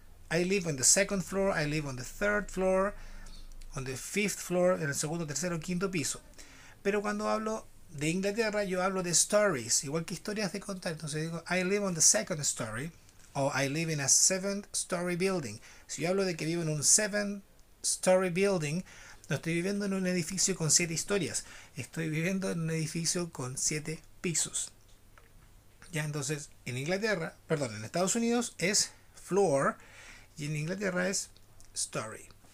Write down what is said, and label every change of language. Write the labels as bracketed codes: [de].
[en] I live on the second floor, I live on the third floor. On the fifth floor, [es] en el segundo, tercero, quinto piso. Pero cuando hablo de Inglaterra, yo hablo de stories, igual que historias de contar. Entonces digo, [en] I live on the second story, o I live in a seventh story building. [es] Si yo hablo de que vivo en un seventh story building, no estoy viviendo en un edificio con 7 historias, estoy viviendo en un edificio con 7 pisos. Ya entonces, en Inglaterra, perdón, en Estados Unidos es floor y en Inglaterra es story.